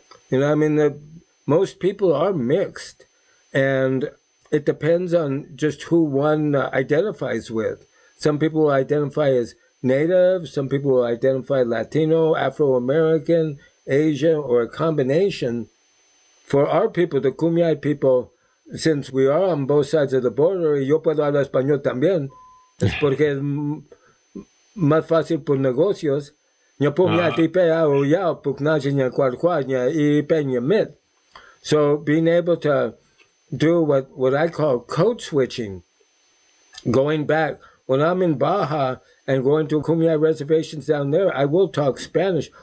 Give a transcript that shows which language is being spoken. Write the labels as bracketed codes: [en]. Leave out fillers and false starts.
[en] You know, I mean, most people are mixed, and it depends on just who one identifies with. Some people identify as Native, some people identify Latino, Afro-American, Asian, or a combination. For our people, the Kumeyaay people, since we are on both sides of the border, [es] yo puedo hablar español también, es porque es más fácil por negocios. [en] So being able to do what I call code switching, going back, when I'm in Baja and going to Kumeyaay reservations down there, I will talk Spanish.